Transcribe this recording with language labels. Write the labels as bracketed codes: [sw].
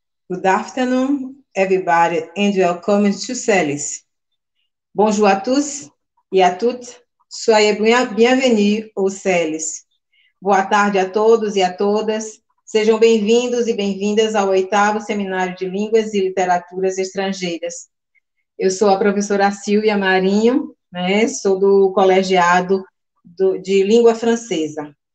[en] Good afternoon, everybody, and welcome to CELES. [fr] Bonjour à tous et à toutes. Soyez bienvenus au CELES. [pt] Boa tarde a todos e a todas. Sejam bem-vindos e bem-vindas ao 8º Seminário de Línguas e Literaturas Estrangeiras. Eu sou a professora Silvia Marinho, né? Sou do colegiado de Língua Francesa.